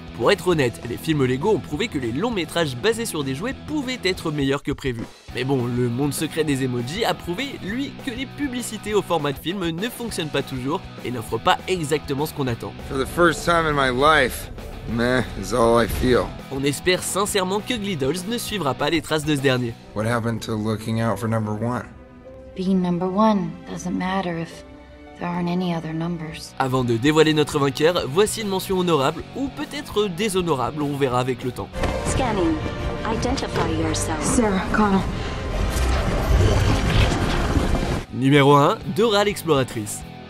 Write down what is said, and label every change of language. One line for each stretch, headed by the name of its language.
French: Pour être honnête, les films Lego ont prouvé que les longs métrages basés sur des jouets pouvaient être meilleurs que prévu. Mais bon, le monde secret des emojis a prouvé, lui, que les publicités au format de film ne fonctionnent pas toujours et n'offrent pas exactement ce qu'on attend.
English: For the first time in my life, meh is all I feel.
French: On espère sincèrement que Ugly Dolls ne suivra pas les traces de ce dernier.
English: What happened to looking out for number one? Being number one doesn't matter if there aren't any other numbers.
French: Avant de dévoiler notre vainqueur, voici une mention honorable ou peut-être déshonorable, on verra avec le temps.
English: Scanning. Identify yourself. Sarah Connell.
French: Numéro 1, Dora l'exploratrice.